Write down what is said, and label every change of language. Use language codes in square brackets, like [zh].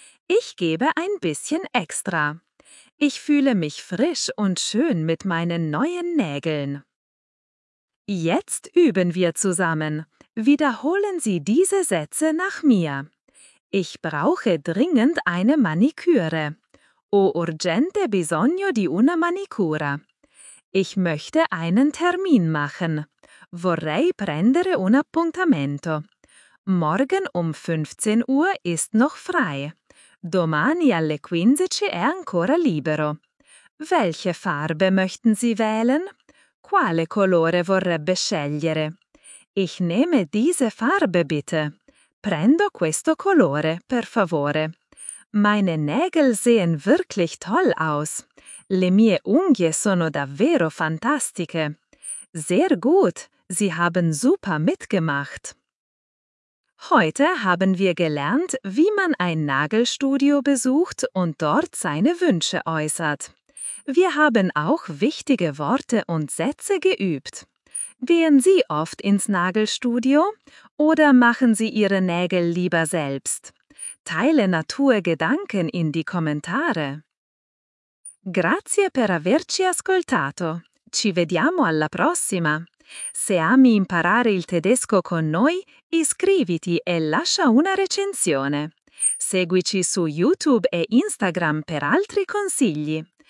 [de] Ich gebe ein bisschen extra. Ich fühle mich frisch und schön mit meinen neuen Nägeln. Jetzt üben wir zusammen. Wiederholen Sie diese Sätze nach mir. Ich brauche dringend eine Maniküre. [it] Ho urgente bisogno di una manicura. [de] Ich möchte einen Termin machen. [it] Vorrei prendere un appuntamento. [de] Morgen um 15 Uhr ist noch frei. [it] Domani alle 15 è ancora libero. [de] Welche Farbe möchten Sie wählen? [it] Quale colore vorrebbe scegliere? [de] Ich nehme diese Farbe bitte. [it] Prendo questo colore, per favore. [de] Meine Nägel sehen wirklich toll aus. [it] Le mie unghie sono davvero fantastiche. [de] Sehr gut, Sie haben super mitgemacht. Heute haben wir gelernt, wie man ein Nagelstudio besucht und dort seine Wünsche äußert. Wir haben auch wichtige Worte und Sätze geübt. Gehen Sie oft ins Nagelstudio oder machen Sie Ihre Nägel lieber selbst? Teile Naturgedanken in die Kommentare. [it] Grazie per averci ascoltato. Ci vediamo alla prossima. Se ami imparare il tedesco con noi, iscriviti e lascia una recensione. Seguici su YouTube e Instagram per altri consigli.